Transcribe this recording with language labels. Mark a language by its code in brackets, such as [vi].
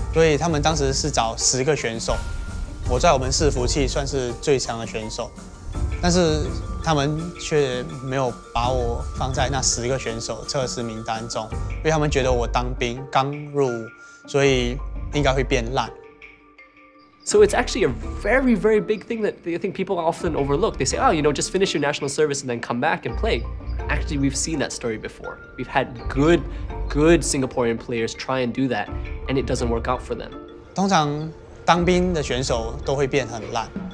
[zh] 所以他们当时是找10个选手，我在我们伺服器算是最强的选手。但是他们却没有把我放在那10个选手测试名单中，因为他们觉得我当兵刚入，所以应该会变烂。 [en] So it's actually a very, very big thing that I think people often overlook. They say, oh, you know, just finish your national service and then come back and play. Actually, we've seen that story before. We've had good Singaporean players try and do that, and it doesn't work out for them. [zh] 通常当兵的选手都会变很烂。